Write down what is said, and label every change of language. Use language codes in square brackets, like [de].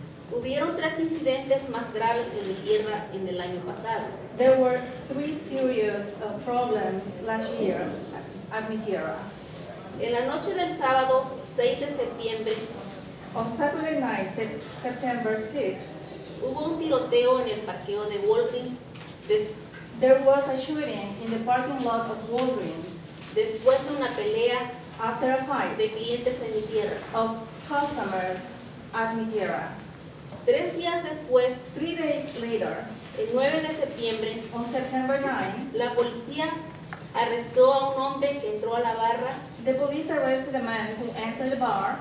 [es] hubieron tres incidentes más graves en mi tierra en el año pasado. [en] There were three serious problems last year at mi tierra. [es] En la noche del sábado, 6 de septiembre. [en] On Saturday night, September 6th, [es] hubo un tiroteo en el parqueo de Walgreens. [en] There was a shooting in the parking lot of Walgreens. [es] Después de una pelea. [en] After a fight. [es] De clientes en mi tierra. [en] Of customers at mi tierra. [es] 3 días después. [en] 3 days later. [es] El 9 de septiembre. [en] On September 9. [es] La policía arrestó a un hombre que entró a la barra. [en] The police arrested a man who entered the bar.